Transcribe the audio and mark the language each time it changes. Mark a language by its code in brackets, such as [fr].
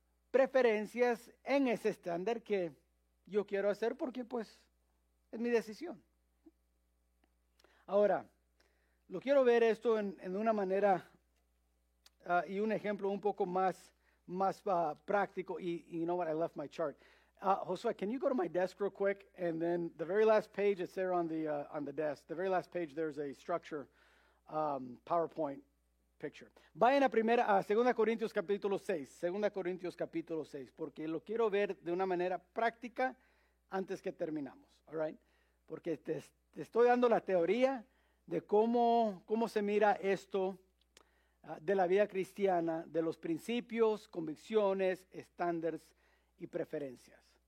[es] Preferencias en ese estándar que yo quiero hacer porque, pues, es mi decisión. Ahora, lo quiero ver esto en una manera y un ejemplo un poco más práctico. [en] Y you know what? I left my chart. Josué, can you go to my desk real quick? And then the very last page, it's there on the desk. The very last page, there's a structure PowerPoint picture. [es] Vayan a 2 Corintios capítulo 6. 2 Corintios capítulo 6. Porque lo quiero ver de una manera práctica antes que terminamos. [en] All right? [es] Porque te estoy dando la teoría de cómo se mira esto de la vida cristiana, de los principios, convicciones, estándares y preferencias.